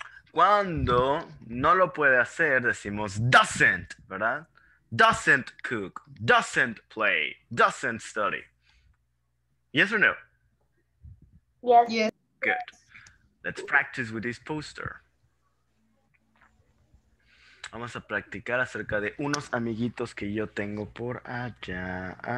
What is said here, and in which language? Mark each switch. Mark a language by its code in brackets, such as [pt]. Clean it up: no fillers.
[es] Cuando no lo puede hacer, decimos doesn't, ¿verdad? [en] Doesn't cook, doesn't play, doesn't study. Yes or no? Yes. Yes. Good. Let's practice with this poster. [es] Vamos a practicar acerca de unos amiguitos que yo tengo por allá.